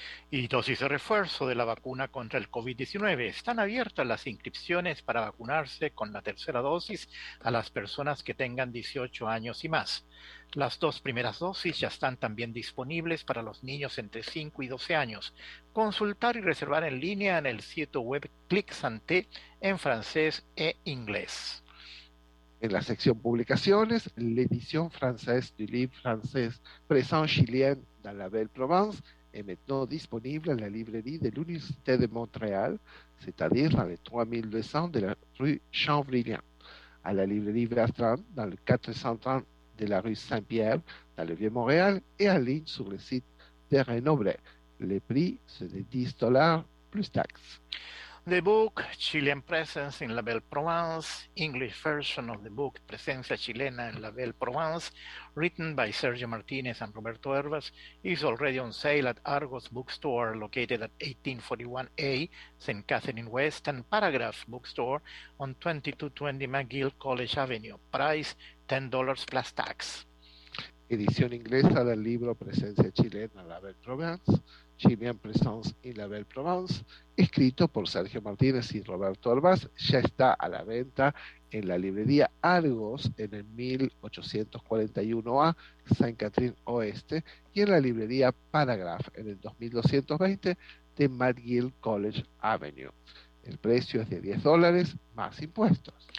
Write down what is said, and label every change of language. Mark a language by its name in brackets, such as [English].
[Spanish] Y dosis de refuerzo de la vacuna contra el COVID-19. Están abiertas las inscripciones para vacunarse con la tercera dosis a las personas que tengan 18 años y más. Las dos primeras dosis ya están también disponibles para los niños entre 5 y 12 años. Consultar y reservar en línea en el sitio web Clic Santé en francés e inglés. En la sección publicaciones, [French] l'édition française du livre français Présent Chilien dans la Belle Provence est maintenant disponible à la librairie de l'Université de Montréal, c'est-à-dire dans les 3200 de la rue Champvrillien, à la librairie Bertrand dans le 430 de la rue Saint-Pierre dans le Vieux-Montréal et en ligne sur le site de Renobré. Le prix, c'est de 10 dollars plus taxes. [English] The book Chilean Presence in La Belle Provence, English version of the book Presencia Chilena en La Belle Provence, written by Sergio Martinez and Roberto Hervas, is already on sale at Argos Bookstore, located at 1841A St. Catherine West and Paragraph Bookstore on 2220 McGill College Avenue. Price $10 plus tax. [Spanish] Edición inglesa del libro Presencia Chilena en La Belle Provence. Chilean Presence in La Belle Provence, escrito por Sergio Martínez y Roberto Hervás, ya está a la venta en la librería Argos en el 1841A Saint Catherine Oeste y en la librería Paragraph en el 2220 de McGill College Avenue. El precio es de $10 más impuestos.